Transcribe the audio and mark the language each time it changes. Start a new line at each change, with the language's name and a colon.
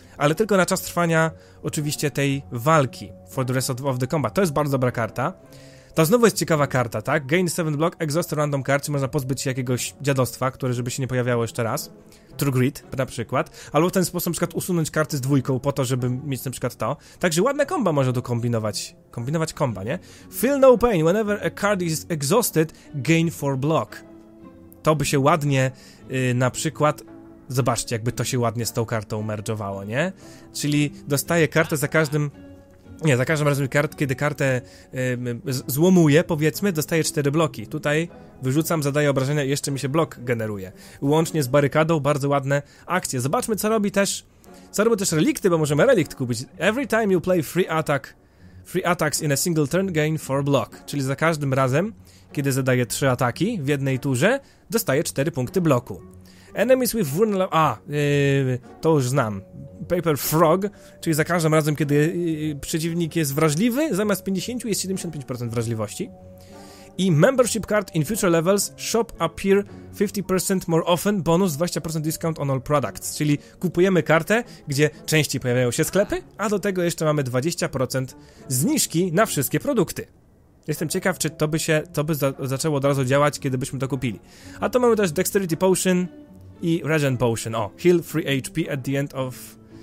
Polish: Ale tylko na czas trwania oczywiście tej walki,
English: for the rest of the combat.
Polish: To jest bardzo dobra karta. To znowu jest ciekawa karta, tak?
English: Gain 7 block, exhaust random card,
Polish: czyli można pozbyć się jakiegoś dziadostwa, które żeby się nie pojawiało jeszcze raz. True Grit, na przykład. Albo w ten sposób na przykład usunąć karty z dwójką po to, żeby mieć na przykład to. Także ładne komba można dokombinować. Kombinować komba, nie?
English: Feel no pain, whenever a card is exhausted, gain 4 block.
Polish: To by się ładnie, na przykład... Zobaczcie, jakby to się ładnie z tą kartą merge'owało, nie? Czyli dostaję kartę za każdym... Nie, za każdym razem, kiedy kartę złomuję, powiedzmy, dostaję 4 bloki. Tutaj wyrzucam, zadaję obrażenia i jeszcze mi się blok generuje. Łącznie z barykadą, bardzo ładne akcje. Zobaczmy, co robi też... Co robią też relikty, bo możemy relikt kupić.
English: Every time you play three attacks in a single turn, gain 4 block.
Polish: Czyli za każdym razem, kiedy zadaję 3 ataki w jednej turze, dostaję 4 punkty bloku.
English: Enemies with vulnerable...
Polish: to już znam. Paper Frog, czyli za każdym razem, kiedy przeciwnik jest wrażliwy, zamiast 50 jest 75% wrażliwości.
English: I Membership Card in Future Levels Shop Appear 50% More Often Bonus 20% Discount on All Products.
Polish: Czyli kupujemy kartę, gdzie częściej pojawiają się sklepy, a do tego jeszcze mamy 20% zniżki na wszystkie produkty. Jestem ciekaw, czy to by zaczęło od razu działać, kiedy byśmy to kupili. A to mamy też Dexterity Potion i Regen Potion. O,
English: Heal 3 HP at the end of...